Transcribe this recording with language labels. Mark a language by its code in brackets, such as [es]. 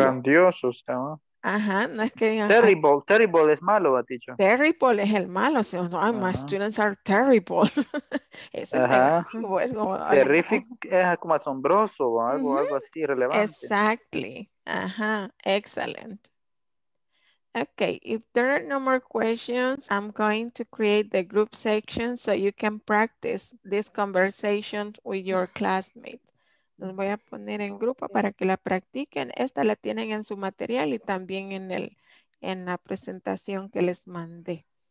[es] Grandioso, ¿sí? Ajá, no es que digan. Terrible, ajá. Terrible es malo, ha dicho. Terrible es el malo, o sea, no, uh-huh. [en] My students are terrible. [es] Eso es negativo, es como. Terrific es como asombroso o algo, uh-huh. Algo así relevante. [en] Exactly, ajá, excellent. Okay, if there are no more questions, I'm going to create the group section so you can practice this conversation with your classmates. [es] Los voy a poner en grupo para que la practiquen. Esta la tienen en su material y también en la presentación que les mandé.